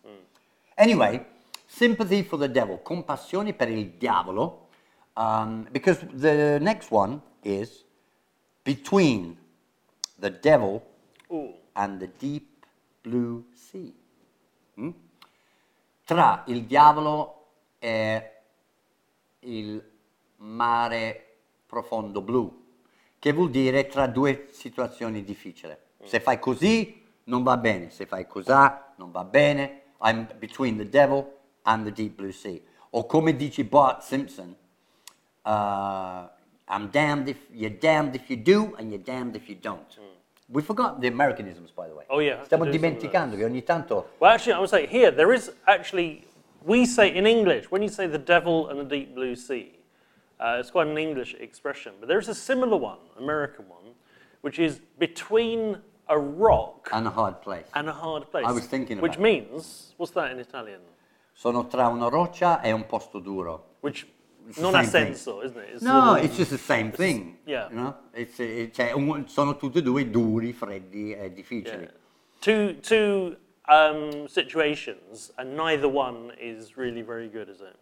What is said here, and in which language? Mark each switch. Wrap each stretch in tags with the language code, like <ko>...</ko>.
<en>Mm. Anyway, sympathy for the devil,</en> <it>compassione per il diavolo,</it> <en>because the next one is between the devil and the deep blue sea. Mm?</en> <it>Tra il diavolo e il mare profondo blu, che vuol dire tra due situazioni difficili. Se fai così, non va bene. Se fai così, non va bene.</it> <en>I'm between the devil and the deep blue sea.</en> <it>O come dice Bart Simpson,</it> <en>I'm damned if you're damned if you do and you're damned if you don't. Mm. We forgot the Americanisms, by the way. Oh, yeah.</en> <it>Stiamo dimenticando che ogni tanto...</it> <en>Well, actually, I would say here, there is actually... We say in English, when you say the devil and the deep blue sea, it's quite an English expression, but there is a similar one, American one, which is between a rock and a hard place. And a hard place. I was thinking about which means, what's that in Italian?</en> <it>Sono tra una roccia e un posto duro.</it> <en>Which</en> <it>non ha senso,</it> <en>isn't it? It's just the same thing. Yeah. You know?</en> <it>Sono tutti e due duri, freddi e difficili.</it> <en>Yeah. Two situations, and neither one is really very good, is it?</en>